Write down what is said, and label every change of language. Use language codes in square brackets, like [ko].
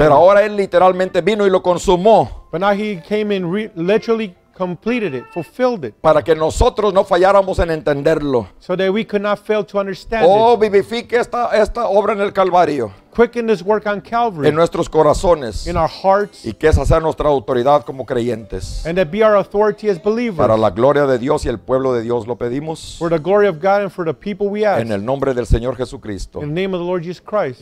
[es] Pero ahora él literalmente vino y lo consumó. [en] But now he came and literally completed it, fulfilled it. [es] Para que nosotros no falláramos en entenderlo. [en] So that we could not fail to understand. [es] Oh, vivifique esta obra en el Calvario. [en] Quicken this work on Calvary. [es] En nuestros corazones. [en] In our hearts. [es] Y que esa sea nuestra autoridad como creyentes. [en] And that be our authority as believers. [es] Para la gloria de Dios y el pueblo de Dios lo pedimos. [en] For the glory of God and for the people we ask. [es] En el nombre del Señor Jesucristo. [en] In the name of the Lord Jesus Christ.